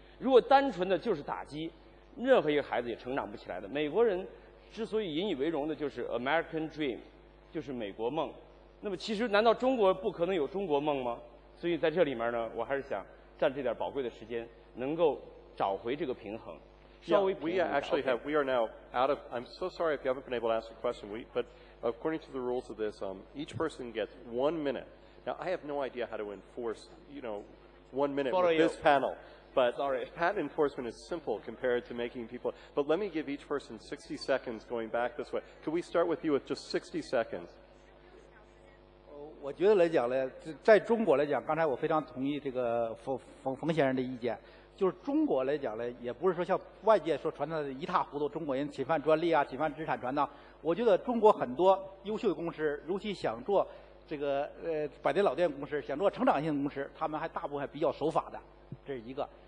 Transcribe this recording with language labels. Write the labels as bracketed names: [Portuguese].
[Chinese] 如果单纯的就是打击，任何一个孩子也成长不起来的。美国人之所以引以为荣的就是 American Dream， 就是美国梦。那么其实难道中国不可能有中国梦吗？所以在这里面呢，我还是想占这点宝贵的时间，能够找回这个平衡。 [English] Yeah, we actually have, we are now out of, I'm so sorry if you haven't been able to ask a question, but according to the rules of this, each person gets 1 minute. Now, I have no idea how to enforce, you know, 1 minute for this panel, but sorry. Patent enforcement is simple compared to making people, but let me give each person 60 seconds going back this way. Could we start with you with just 60 seconds? [Chinese] 我觉得来讲呢，在中国来讲，刚才我非常同意这个冯先生的意见。就是中国来讲呢，也不是说像外界说传达的一塌糊涂，中国人侵犯专利啊，侵犯知识产权呐。我觉得中国很多优秀的公司，尤其想做这个百年老店公司，想做成长性公司，他们还大部分还比较守法的，这是一个。